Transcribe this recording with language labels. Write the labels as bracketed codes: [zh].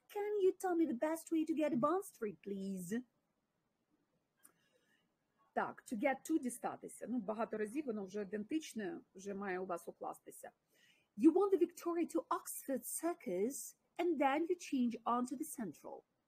[en] Can you tell me the best way to get Bond Street, please? [uk] Так, [en] to get to [uk] дістатися. Ну, багато разів воно вже ідентичне, вже має у вас укластися. [en] You want the Victoria to Oxford Circus, and then you change on to the Central.